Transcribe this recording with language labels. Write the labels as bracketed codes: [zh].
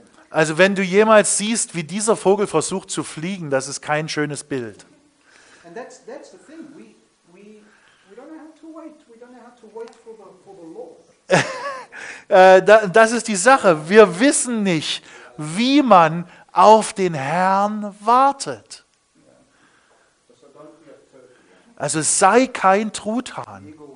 [de] Also wenn du jemals siehst, wie dieser Vogel versucht zu fliegen, das ist kein schönes Bild. [en] And that's the thing. We don't have to wait. We don't have to wait for the Lord. [de] Das ist die Sache. Wir wissen nicht, wie man auf den Herrn wartet. Also sei kein Truthahn.